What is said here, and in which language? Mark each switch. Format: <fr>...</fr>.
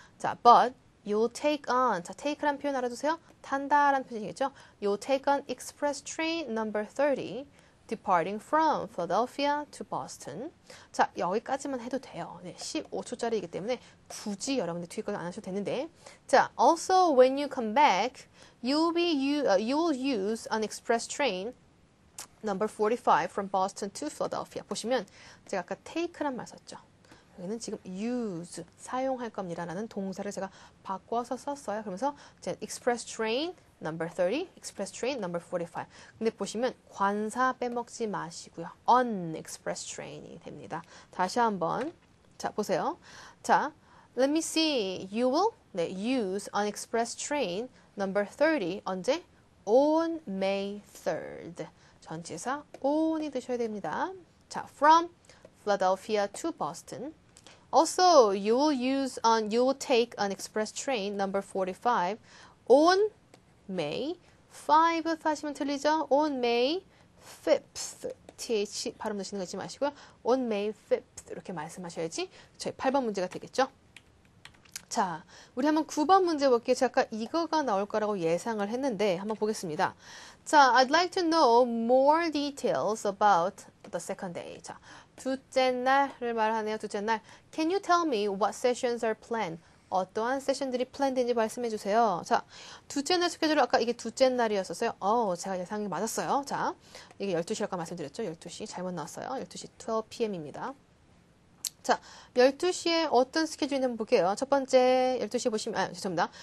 <ko>자,</ko> <en>but you'll take on.</en> <ko>자, take란 표현 알아두세요. 탄다란 표현이겠죠?</ko> <en>You'll take on express train number 30. Departing from Philadelphia to Boston.</en> <ko>자, 여기까지만 해도 돼요. 네, 15초짜리이기 때문에 굳이 여러분들 투입 안 하셔도 되는데.</ko> <en>자, also when you come back, you will use an express train number 45 from Boston to Philadelphia.</en> <ko>보시면 제가 아까 take란 말 썼죠. 여기는 지금 use, 사용할 겁니다라는 동사를 제가 바꿔서 썼어요. 그러면서 제</ko> <en>express train number 30, express train number 45.</en> <ko>근데 보시면 관사 빼먹지 마시고요. an express train이 됩니다. 다시 한번. 자, 보세요.</ko> <en>자, let me see. You will, 네, use an express train number 30.</en> <ko>언제?</ko> <en>On May 3rd.</en> <ko>전치사 on이 되셔야 됩니다.</ko> <en>자, from Philadelphia to Boston. Also, you will take an express train number 45 on May 5th</en> <ko>하시면 틀리죠?</ko> <en>On May 5th.</en> <ko>TH 발음 넣으시는 거 잊지 마시고요.</ko> <en>On May 5th.</en> <ko>이렇게 말씀하셔야지 저희 8번 문제가 되겠죠? 자, 우리 한번 9번 문제 볼게요. 제가 아까 이거가 나올 거라고 예상을 했는데 한번 보겠습니다.</ko> <en>자, I'd like to know more details about the second day.</en> <ko>자, 둘째 날을 말하네요. 둘째 날.</ko> <en>Can you tell me what sessions are planned?</en> <ko>어떠한 세션들이 플랜된지 말씀해 주세요. 자, 둘째 날 스케줄을 아까 이게 둘째 날이었었어요. 제가 예상이 맞았어요. 자, 이게 12시라고 말씀드렸죠. 12시. 잘못 나왔어요. 12시 12pm입니다. 자, 12시에 어떤 스케줄이 있는지 한번 볼게요. 첫 번째, 12시에 보시면, 아, 죄송합니다.</ko>